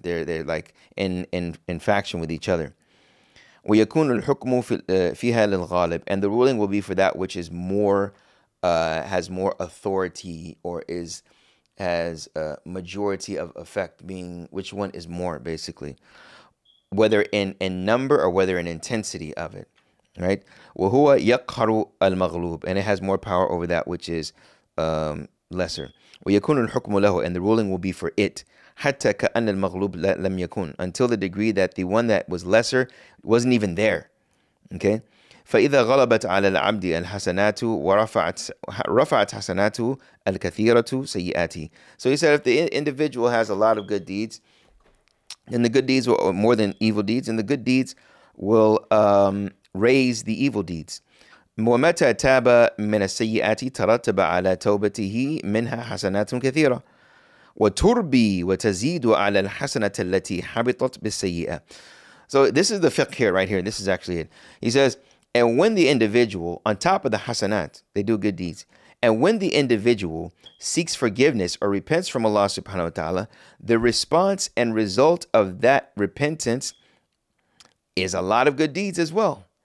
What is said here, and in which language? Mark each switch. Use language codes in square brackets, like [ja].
[en] They're like in faction with each other. [ar] ويكون الحكم فيها للغالب. [en] And the ruling will be for that which is more, has more authority, or is has a majority of effect, being which one is more, basically, whether in number or whether in intensity of it, right? [ar] وهو يقهر المغلوب. [en] And it has more power over that which is lesser. [ar] ويكون الحكم له, [en] and the ruling will be for it. [ar] حتى كأن المغلوب لم يكون, [en] until the degree that the one that was lesser wasn't even there. Okay. [ar] فإذا غلبت على العبد الحسنات ورفعت حسناته الكثيرة سيئاته. [en] So he said, if the individual has a lot of good deeds, then the good deeds will more than evil deeds, and the good deeds will raise the evil deeds. [ar] ومتى تاب من السيئات ترتب على توبته منها حسنات كثيرة وتربي وتزيد على الحسنة التي حبطت بالسيئة. [en] So this is the fiqh here, right here. This is actually it. He says, and when the individual, on top of the hasanat, they do good deeds, and when the individual seeks forgiveness or repents from Allah subhanahu wa ta'ala, the response and result of that repentance is a lot of good deeds as well.